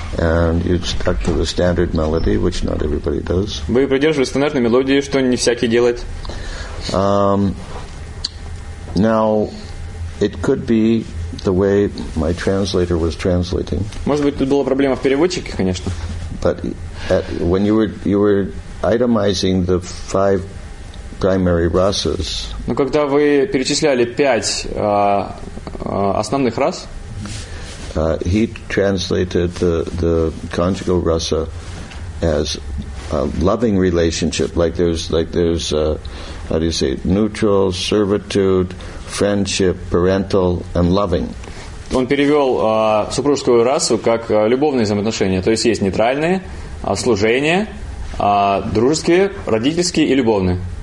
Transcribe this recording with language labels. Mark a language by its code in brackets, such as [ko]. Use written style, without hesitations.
[en] And you stuck to the standard melody, which not everybody does. [ru] Вы придерживались стандартной мелодии, что не всякий делает. [en] Now, it could be the way my translator was translating. [ru] Может быть, тут была проблема в переводчике, конечно. [en] But when you were itemizing the five primary rasas. [ru] Но когда вы перечисляли пять основных рас? [en] He translated the conjugal rasa as a loving relationship, like there's how do you say, neutral, servitude, friendship, parental, and loving. [ru] Он перевел супружескую расу как любовные взаимоотношения. То есть нейтральные, служение, дружеские, родительские и любовные.